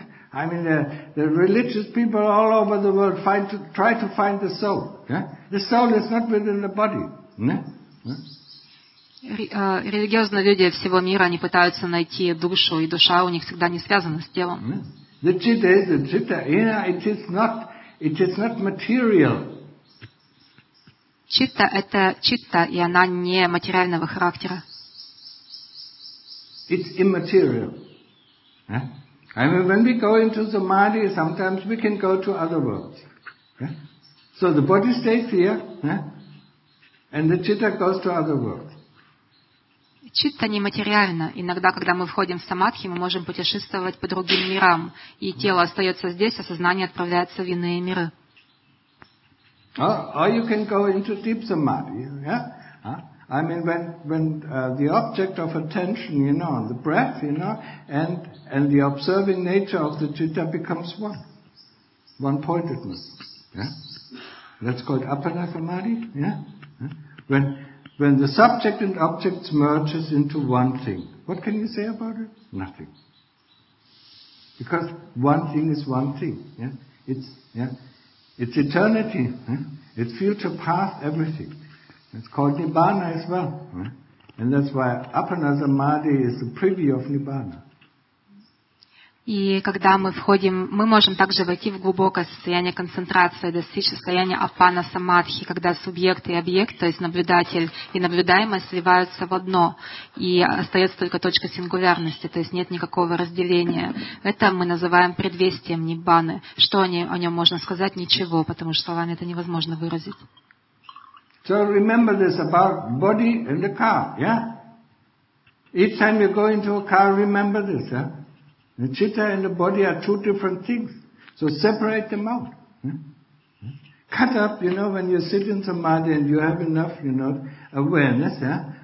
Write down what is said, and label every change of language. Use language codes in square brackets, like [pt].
[en] I mean, the religious people all over the world try to find the soul. The soul is not within the body. [ru] Религиозные люди всего мира, они пытаются найти душу, и душа у них всегда не связана с телом. [en] The citta is the citta. It is not material. [ru] Citta – это citta, и она не материального характера. [en] It's immaterial. I mean, when we go into samadhi, sometimes we can go to other worlds. So the body stays here, and the citta goes to other worlds. [ru] Citta не материально. Иногда, когда мы входим в самадхи, мы можем путешествовать по другим мирам, и тело остается здесь, а сознание отправляется в иные миры. [en] Or you can go into deep samadhi. Yeah? I mean, when the object of attention, you know, the breath, you know, and the observing nature of the citta becomes one. One-pointedness. Yeah? That's called apana samadhi. Yeah? When the subject and object merges into one thing, what can you say about it? Nothing. Because one thing is one thing. Yeah? It's eternity. Yeah? It's future, past, everything. It's called Nibbana as well. Yeah? And that's why apana samadhi is the preview of Nibbana. [ru] И когда мы входим, мы можем также войти в глубокое состояние концентрации, достичь состояния апана самадхи, когда субъект и объект, то есть наблюдатель и наблюдаемое сливаются в одно, и остается только точка сингулярности, то есть нет никакого разделения. Это мы называем предвестием ниббаны. Что о нем можно сказать? Ничего, потому что словами это невозможно выразить. [en] So remember this about body and the car, yeah? Each time you go into a car, remember this, yeah? The citta and the body are two different things. So separate them out. Cut up, you know, when you sit in samadhi and you have enough, you know, awareness, yeah?